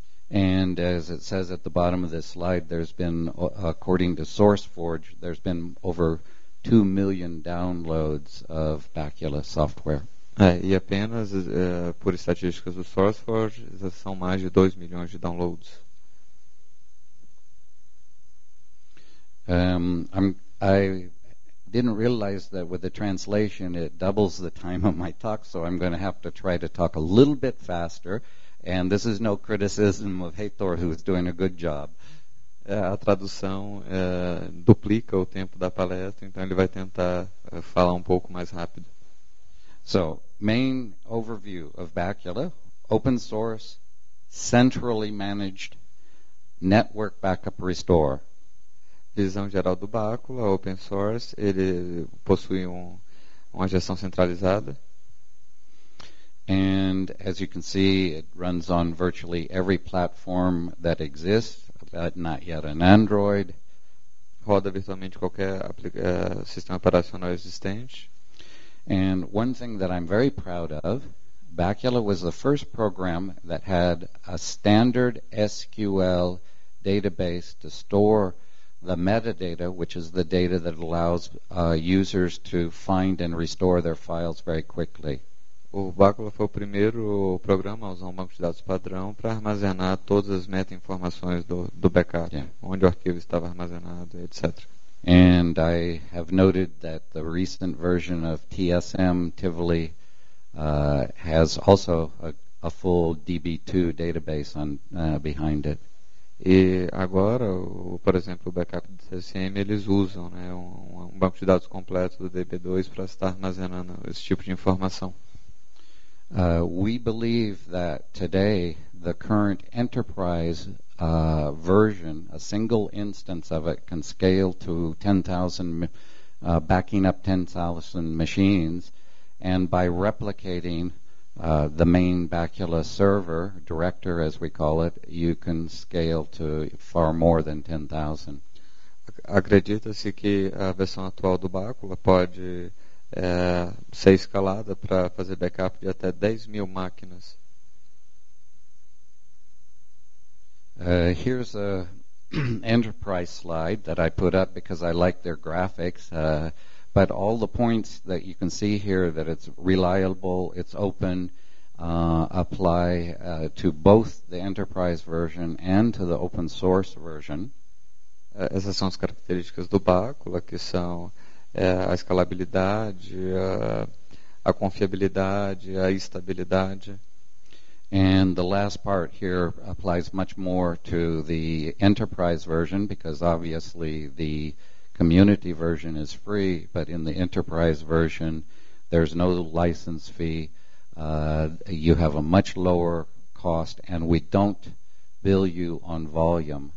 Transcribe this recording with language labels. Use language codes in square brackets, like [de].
[en] And as it says at the bottom of this slide, there's been, according to SourceForge, there's been over 2 million downloads of Bacula software. [pt] E apenas por estatísticas do SourceForge, são mais de 2 milhões de downloads. [en] I didn't realize that with the translation it doubles the time of my talk, so I'm going to have to try to talk a little bit faster. And this is no criticism of Heitor, who's doing a good job. [pt] A tradução duplica o tempo da palestra, então ele vai tentar falar um pouco mais rápido. [en] So, main overview of Bacula: open source, centrally managed, network backup restore. [pt] Visão geral do Bacula: open source, ele possui uma gestão centralizada. [en] And as you can see, it runs on virtually every platform that exists, but not yet an Android. [pt] Roda virtualmente qualquer sistema operacional existente. [en] And one thing that I'm very proud of, Bacula was the first program that had a standard SQL database to store the metadata, which is the data that allows users to find and restore their files very quickly. [pt] O Bacula foi o primeiro programa a usar um banco de dados padrão para armazenar todas as meta-informações do backup, yeah, onde o arquivo estava armazenado, etc. [en] And I have noted that the recent version of TSM, Tivoli, has also a full DB2 database on behind it. [pt] E agora, por exemplo, o backup do TSM, eles usam, né, um banco de dados completo do DB2 para estar armazenando esse tipo de informação. [en] We believe that today the current enterprise version, a single instance of it, can scale to 10,000, backing up 10,000 machines, and by replicating the main Bacula server, director as we call it, you can scale to far more than 10,000. [pt] Acredita-se que a versão atual do Bacula pode ser escalada para fazer backup de até 10 mil máquinas. [en] Here's a enterprise slide that I put up because I like their graphics, but all the points that you can see here, that it's reliable, it's open, apply to both the enterprise version and to the open source version. [pt] Essas são as características do Bacula, que são a escalabilidade, a confiabilidade, a estabilidade. [en] And the last part here applies much more to the enterprise version, because obviously the community version is free, but in the enterprise version there's no license fee. You have a much lower cost, and we don't bill you on volume.